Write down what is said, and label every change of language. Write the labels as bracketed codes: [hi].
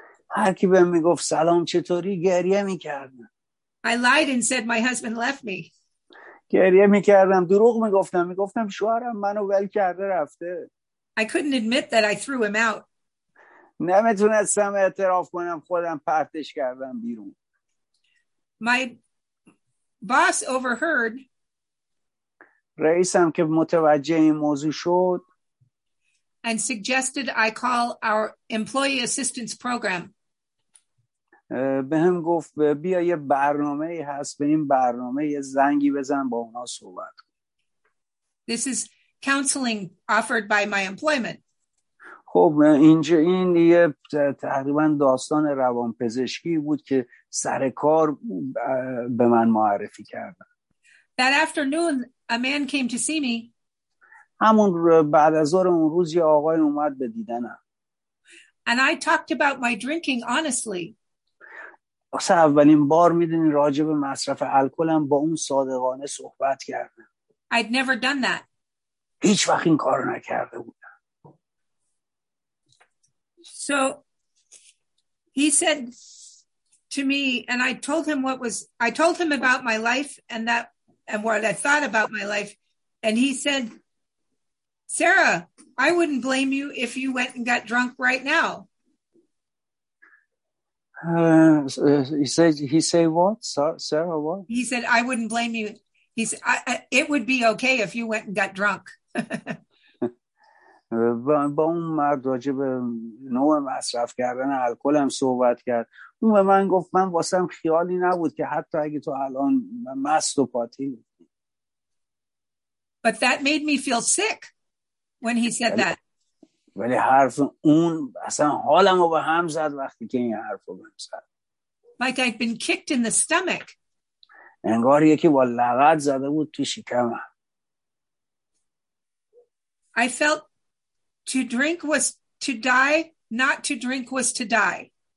[fa] هر کی بهم میگفت سلام چطوری, گریه میکردم. [en] I lied and said my husband left me. [fa] گریه میکردم, دروغ میگفتم, میگفتم شوهرم منو ول کرده رفته. [en] I couldn't admit that I threw him out. [fa] نمیتونستم اعتراف کنم خودم پرتش کردم بیرون. [en] My boss overheard. [fa] رئیسم که متوجه این موضوع شد. [en] And suggested I call our employee assistance program. [fa] به هم گفت بیا یه برنامه هست, به این برنامه یه زنگی بزن با اونا صحبت کن. [en] This is counseling offered by my employment. [fa] خب اینجا این یه تقریبا داستان روان پزشکی بود که سر کار به من معرفی کردن. [en] That afternoon a man came to see me. [fa] همون بعد از ظهر اون روز یه آقای اومد به دیدنم. [en] And I talked about my drinking honestly. [fa] واسه اولین بار میدونی راجع به مصرف الکلم با اون صادقانه صحبت کردم. [en] I'd never done that. [fa] هیچ وقت این کارو نکرده بودم. [en] So he said to me and I told him about my life and that and what I thought about my life and he said, Sarah, I wouldn't blame you if you went and got drunk right now. He said, Sarah, what? He said, I wouldn't blame you. He said, it would be okay if you went and got drunk. [fa] با اون مرد راجع به نوع مصرف کردن الکل هم صحبت کرد. اون به من گفت من واسم خیالی نبود که حتی اگه تو الان مست و پاتی. [en] But that made me feel sick when he said that. [fa] ولی حرف اون اصلا حالم رو به هم زد وقتی که این حرف رو بهم زد. [en] Like I'd been kicked in the stomach. [fa] انگار یکی با لغت زده بود تو شکمم. [en] I felt to drink was to die, not to drink was to die.